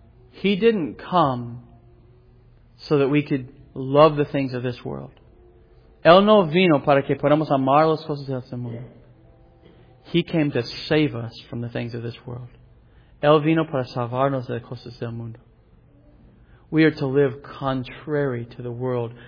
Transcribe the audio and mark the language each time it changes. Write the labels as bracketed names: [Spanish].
[English] He didn't come so that we could love the things of this world. [Spanish] Él no vino para que podamos amar las cosas de este mundo. [English] He came to save us from the things of this world. [Spanish] Él vino para salvarnos de las cosas del mundo. [English] We are to live contrary to the world.